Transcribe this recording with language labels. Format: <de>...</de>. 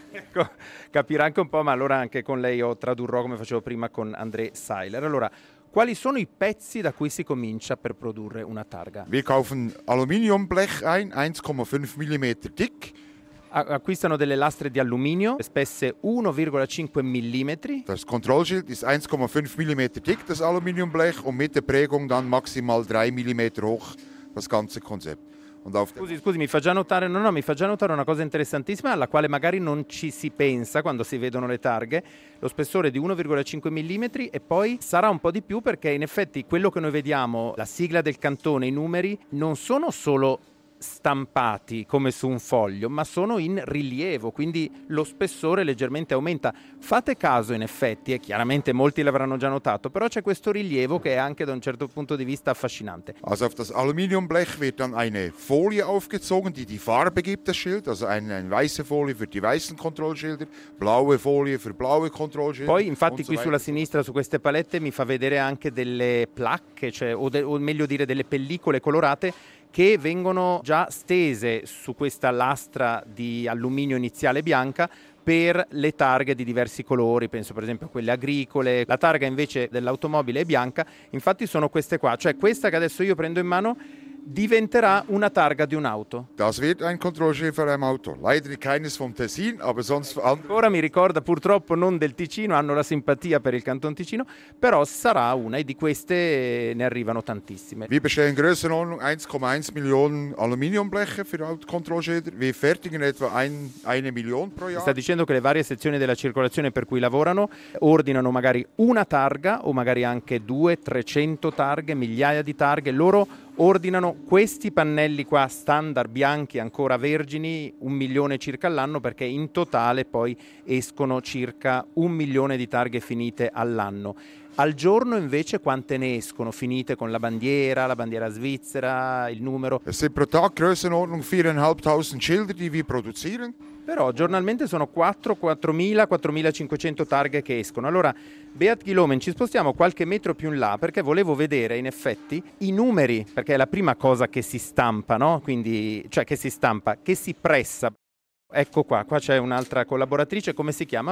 <it>Ecco, capirà anche un po', ma allora anche con lei io tradurrò come facevo prima con André Seiler. Allora, quali sono i pezzi da cui si comincia per produrre una targa?</it> <de>Wir kaufen Aluminiumblech ein, 1,5 mm dick.</de> <it>Acquistano delle lastre di alluminio, spesse 1,5 mm.</it> <de>Das Kontrollschild ist 1,5 mm dick, das Aluminiumblech, und mit der Prägung dann maximal 3 mm hoch, das ganze Konzept.</de> <it>Scusi, mi fa già notare una cosa interessantissima alla quale magari non ci si pensa quando si vedono le targhe. Lo spessore di 1,5 mm e poi sarà un po' di più, perché in effetti quello che noi vediamo, la sigla del cantone, i numeri, non sono solo stampati come su un foglio, ma sono in rilievo, quindi lo spessore leggermente aumenta. Fate caso, in effetti, e chiaramente molti l'avranno già notato, però c'è questo rilievo che è anche da un certo punto di vista affascinante.</it> <de>Also auf das Aluminiumblech wird dann eine Folie aufgezogen, die die Farbe gibt, das Schild, also eine weiße Folie für die weißen Kontrollschilder, blaue Folie für blaue Kontrollschilder.</de> <it>Poi infatti qui sulla sinistra, su queste palette, mi fa vedere anche delle placche, cioè, o meglio dire delle pellicole colorate che vengono già stese su questa lastra di alluminio iniziale bianca per le targhe di diversi colori, penso per esempio a quelle agricole. La targa invece dell'automobile è bianca, infatti sono queste qua, cioè questa che adesso io prendo in mano diventerà una targa di un'auto.</it> <de>Das wird ein Kontrollschild für ein Auto. Leider keines vom Tessin, aber sonst.</de> <it>Ora mi ricorda, purtroppo non del Ticino, hanno la simpatia per il Canton Ticino, però sarà una, e di queste ne arrivano tantissime.</it> <de>Wir bestellen Größenordnung 1,1 Millionen Aluminiumbleche für Kontrollschilder. Wir fertigen etwa eine Million pro Jahr.</de> <it>Sta dicendo che le varie sezioni della circolazione per cui lavorano ordinano magari una targa o magari anche 200-300 targhe, migliaia di targhe. Loro ordinano questi pannelli qua standard bianchi ancora vergini 1 milione circa all'anno, perché in totale poi escono circa 1 milione di targhe finite all'anno. Al giorno invece quante ne escono finite con la bandiera svizzera, il numero?</it> <de>Se pro tag Größenordnung 4.500 Schilder die wir produzieren.</de> <it>Però giornalmente sono 4.500 targhe che escono. Allora, Beat Gilomen, ci spostiamo qualche metro più in là perché volevo vedere in effetti i numeri, perché è la prima cosa che si stampa, no? Quindi, cioè che si stampa, che si pressa. Ecco qua, qua c'è un'altra collaboratrice, come si chiama?</it>